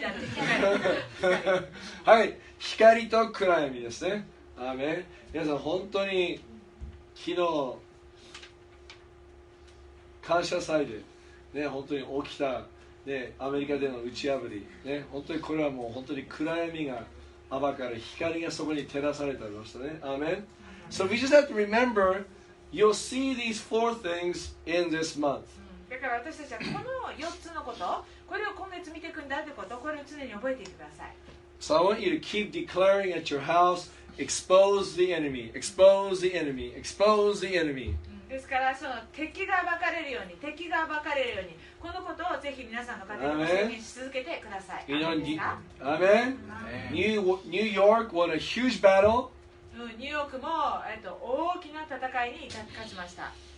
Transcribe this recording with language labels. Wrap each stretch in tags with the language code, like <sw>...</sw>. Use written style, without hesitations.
<ja>だって光はい光と暗闇ですねアーメン皆さん本当に昨日感謝祭でね、本当に起きた、ね、アメリカでの打ち破り、ね、本当にこれはもう本当に暗闇が暴かれ光がそこに照らされてありましたね。アーメン。</ja> <en>So we just have to remember, you'll see these four things in this month.</en> <ja>だから私たちはこの4つのこと、これを今月見ていくんだってこと、これを常に覚えていてください。</ja> <en>So I want you to keep declaring at your house, expose the enemy, expose the enemy, expose the enemy.</en> <ja>ですからその敵が暴かれるように、敵が暴かれるように、このことをぜひ皆さんの家庭で宣言し続けてください。</ja> <en>You know, Amen. Amen. New York, what a huge battle.</en> <ja>ニューヨークも大きな戦いに勝ちました。</ja>